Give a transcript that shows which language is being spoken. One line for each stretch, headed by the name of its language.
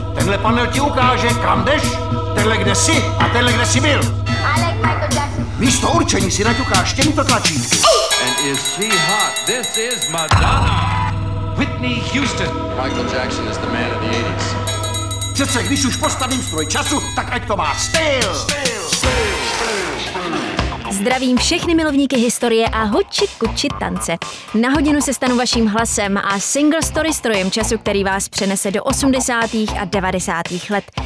Czech: Tenhle panel ti ukáže, kam jdeš, tenhle kde jsi a tenhle kde jsi byl. Místo určení si naťukáš těmito tlačítky.
English: And is she hot? This is Madonna. Whitney Houston. Michael Jackson is the man of the 80s.
Czech: Přece, když už postavím stroj času, tak ať to má styl. Zdravím všechny milovníky historie a hoči kuči tance. Na hodinu se stanu vaším hlasem a single story strojem času, který vás přenese do 80. a 90. let.